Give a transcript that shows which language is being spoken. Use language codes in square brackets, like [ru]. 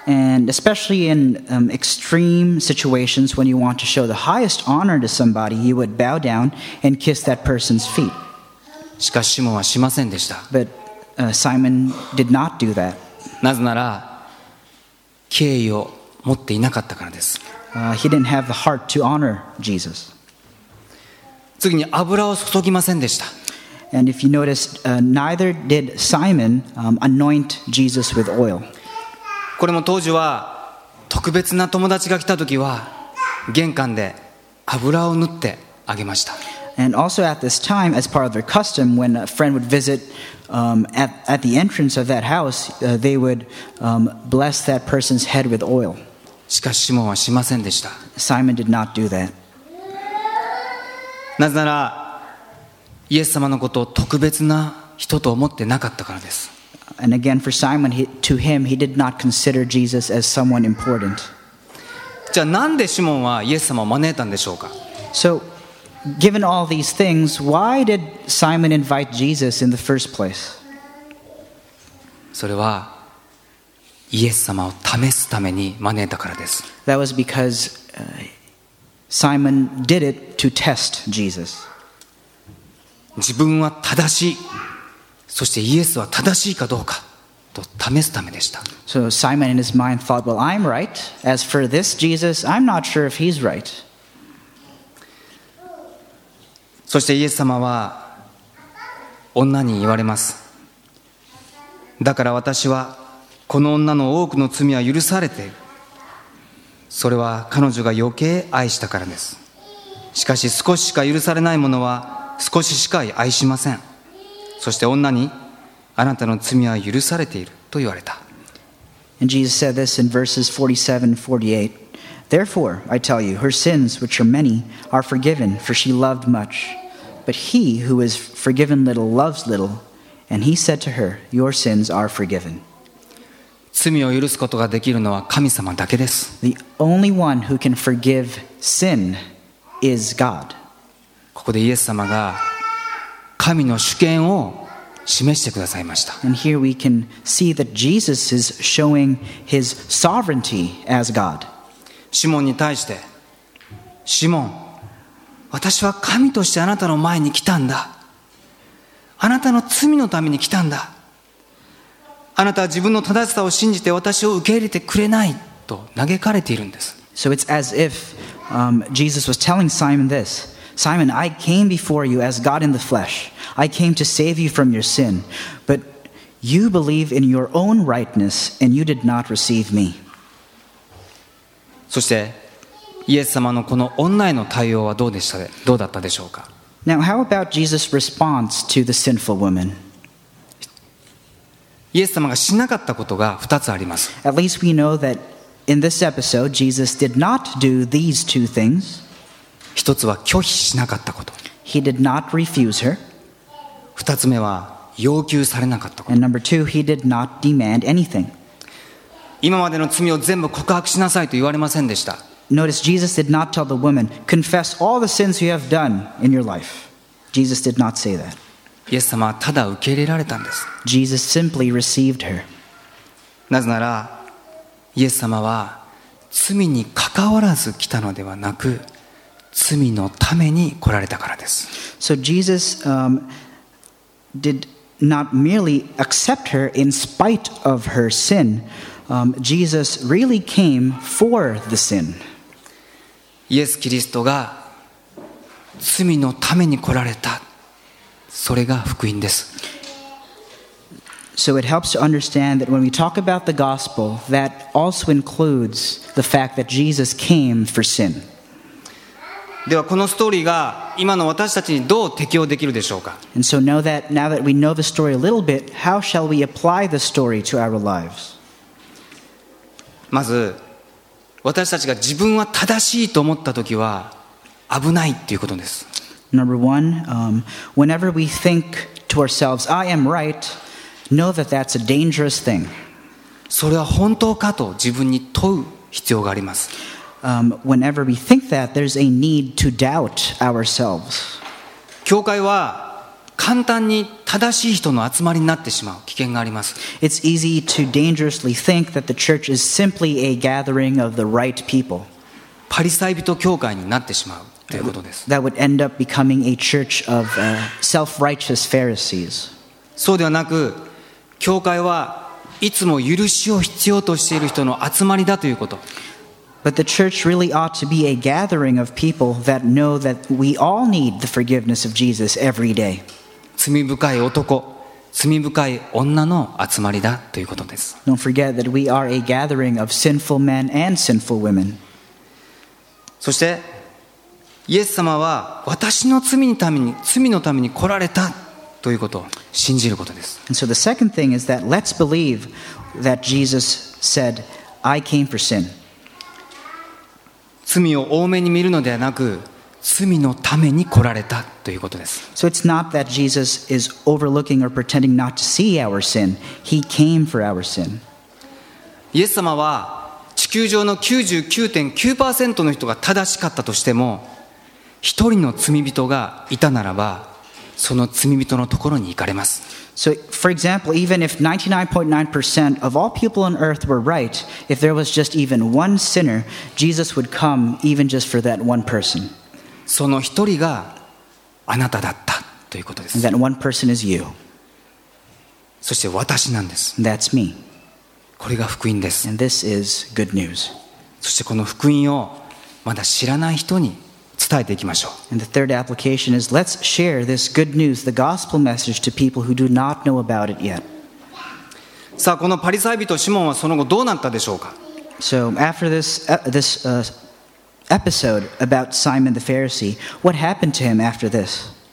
[en] And especially in extreme situations when you want to show the highest honor to somebody, you would bow down and kiss that person's feet. [ja] しかしシモンはしませんでした。 [en] But Simon did not do that. [ja] なぜなら敬意を持っていなかったからです。 [en] He didn't have the heart to honor Jesus. [ja] 次に油を注ぎませんでした。 [en] And if you noticed, neither did Simon anoint Jesus with oil. [ja] これも当時は特別な友達が来た時は玄関で油を塗ってあげました。 [en] And also at this time, as part of their custom, when a friend would visit at the entrance of that house, they would bless that person's head with oil. [ja] しかし、シモンはしませんでした。 [en] Simon did not do that. [ja] なぜなら、イエス様のことを特別な人と思ってなかったからです。 [en] And again, for Simon, to him, he did not consider Jesus as someone important. [ja] じゃあ、なんでシモンはイエス様を招いたんでしょうか？ [en] So, given all these things, why did Simon invite Jesus in the first place? [ja] それは、イエス様を試すために招いたからです。 [en] That was because, Simon did it to test Jesus. [ja] 自分は正しい。そしてイエスは正しいかどうかと試すためでした。 [en] So Simon in his mind thought, well, I'm right. As for this Jesus, I'm not sure if he's right. [ja] そしてイエス様は女に言われます。だから私はこの女の多くの罪は許されて、それは彼女が余計愛したからです。しかし少ししか許されないものは少ししか愛しません。そして女に、あなたの罪は許されていると言われた。 [en] And Jesus said this in verses 47 and 48. Therefore, I tell you, her sins, which are many, are forgiven, for she loved much. But he who is forgiven little loves little. And he said to her, Your sins are forgiven. [ja] 罪を許すことができるのは神様だけです。 [en] The only one who can forgive sin is God. [ja] ここでイエス様が神の主権を示してくださいました。 [en] And here we can see that Jesus is showing his sovereignty as God. [ja] シモンに対して、シモン、私は神としてあなたの前に来たんだ。あなたの罪のために来たんだ。あなたは自分の正しさを信じて私を受け入れてくれないと嘆かれているんです。 [en] So it's as if, Jesus was telling Simon this. Simon, I came before you as God in the flesh. I came to save you from your sin. But you believe in your own rightness and you did not receive me. [ja] そして、イエス様のこの女への対応はどうでしたで、どうだったでしょうか。 [en] Now, how about Jesus' response to the sinful woman? [ja] イエス様がしなかったことが2つあります。 [en] At least we know that in this episode, Jesus did not do these two things. [ja] 一つは拒否しなかったこと。 [en] He did not refuse her. [ja] 二つ目は要求されなかったこと。 [en] And number two, he did not demand anything. [ja] 今までの罪を全部告白しなさいと言われませんでした。 [en] Notice Jesus did not tell the woman, confess all the sins you have done in your life. Jesus did not say that. [ja] イエス様はただ受け入れられたんです。 [en] Jesus simply received her. [ja] なぜなら、イエス様は罪に関わらず来たのではなく、罪のために来られたからです。 [en] So Jesus, did not merely accept her in spite of her sin. Jesus really came for the sin. [ja] イエス・キリストが罪のために来られた。それが福音です。 [en] So it helps to understand that when we talk about the gospel, that also includes the fact that Jesus came for sin. [ja] ではこのストーリーが今の私たちにどう適用できるでしょうか。 [en] And so know that now that we know the story a little bit, how shall we apply the story to our lives? [ja] まず私たちが自分は正しいと思ったときは危ないっていうことです。 [en] Number one, whenever we think to ourselves, I am right, know that that's a dangerous thing. [ja] それは本当かと自分に問う必要があります。 [en] Whenever we think that, there's a need to doubt ourselves. [ja] 教会は簡単に正しい人の集まりになってしまう危険があります。 [en] It's easy to dangerously think that the church is simply a gathering of the right people. [ja] パリサイ人教会になってしまう。ということです。 [en] That would end up becoming a church of self-righteous Pharisees. [ja] そうではなく、教会はいつも許しを必要としている人の集まりだということ。 [en] But the church really ought to be a gathering of people that know that we all need the forgiveness of Jesus every day. [ja] 罪深い男、罪深い女の集まりだということです。 [en] Don't forget that we are a gathering of sinful men and sinful women. [ja] そして、イエス様は私の罪のために来られたということを信じることです。 [en] And so the second thing is that let's believe that Jesus said, I came for sin. [ja] 罪を多めに見るのではなく、罪のために来られたということです。 [en] So it's not that Jesus is overlooking or pretending not to see our sin. He came for our sin. [ja] イエス様は地球上の 99.9% の人が正しかったとしても、一人の罪人がいたならば、その罪人のところに行かれます。 [en] So, for example, even if 99.9% of all people on earth were right, if there was just even one sinner, Jesus would come even just for that one person. [ja] その一人があなただったということです。 [en] And that one person is you. [ja] そして私なんです。 [en] That's me. [ja] これが福音です。 [en] And this is good news. [ja] そしてこの福音をまだ知らない人に伝えていきましょう。 [en] And the third application is, let's share this good news, the gospel message to people who do not know about it yet. [ja] さあ、このパリサイ人シモンはその後どうなったでしょうか。 [en] So after this episode about Simon the Pharisee, what happened to him after this?